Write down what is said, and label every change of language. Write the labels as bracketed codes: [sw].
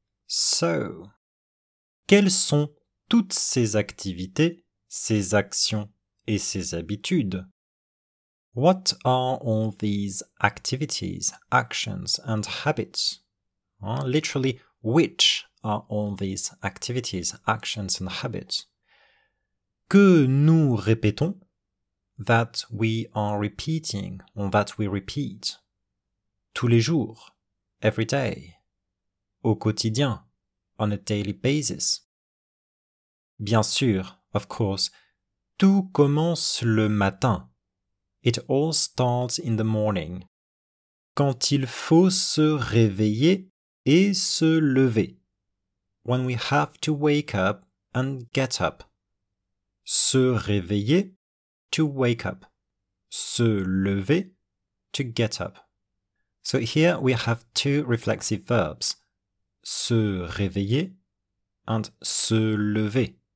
[fr] So, quelles sont toutes ces activités, ses actions et ses habitudes? [en] What are all these activities, actions and habits? Literally, which are all these activities, actions and habits? [fr] Que nous répétons? [en] That we are repeating, or that we repeat. [fr] Tous les jours, [en] every day. [fr] Au quotidien, [en] on a daily basis. [fr] Bien sûr, [en] of course, [fr] tout commence le matin. [en] It all starts in the morning. [fr] Quand il faut se réveiller et se lever. [en] When we have to wake up and get up. [fr] Se réveiller, [en] to wake up. [fr] Se lever, [en] to get up. So here we have two reflexive verbs. [fr] Se réveiller and se lever.